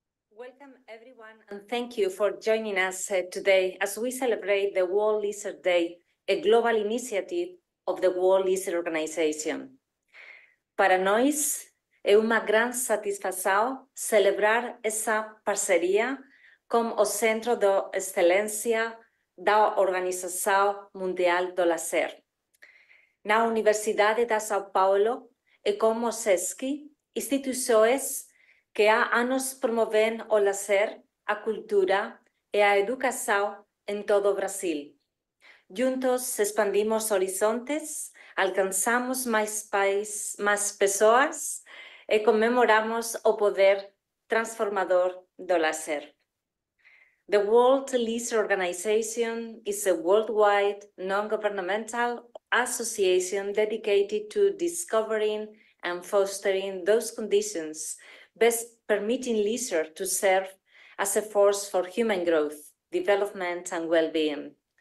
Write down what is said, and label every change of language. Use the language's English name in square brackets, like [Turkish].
[English] Welcome, everyone, and thank you for joining us today as we celebrate the World Lizard Day, a global initiative of the World Lizard Organization. [Portuguese] Para nós, é uma grande satisfação celebrar essa parceria com o Centro de Excelência da Organização Mundial do Lazer. Na Universidade de São Paulo e com o SESC, instituições que há anos promovem o lazer, a cultura e a educação em todo o Brasil. Juntos expandimos horizontes, alcançamos mais pais, mais pessoas e comemoramos o poder transformador do lazer. [English] The World Leisure Organization is a worldwide non-governmental association dedicated to discovering and fostering those conditions best permitting leisure to serve as a force for human growth, development, and well-being.